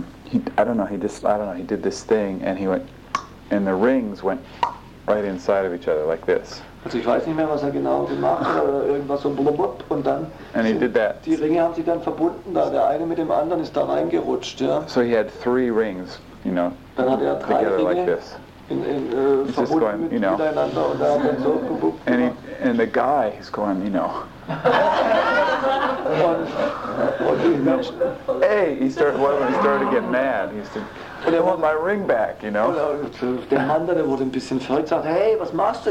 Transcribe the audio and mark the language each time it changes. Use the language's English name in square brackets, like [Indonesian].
[English] He did this thing and he went and the rings went right inside of each other like this. [German] Also ich weiß nicht mehr, was er genau gemacht hat, irgendwas so blubbert und dann [English] and he did that. [German] Die Ringe haben sich dann verbunden, da der eine mit dem anderen ist da reingerutscht, ja. [English] So he had three rings, you know. [German] Dann hat er drei Ringe [English] like this. And the guy is going, you know. Hey, he started to get mad. He said, I want my ring back, you know. [German] Der Mann, der wurde ein bisschen verrückt, sagt, hey, was machst du?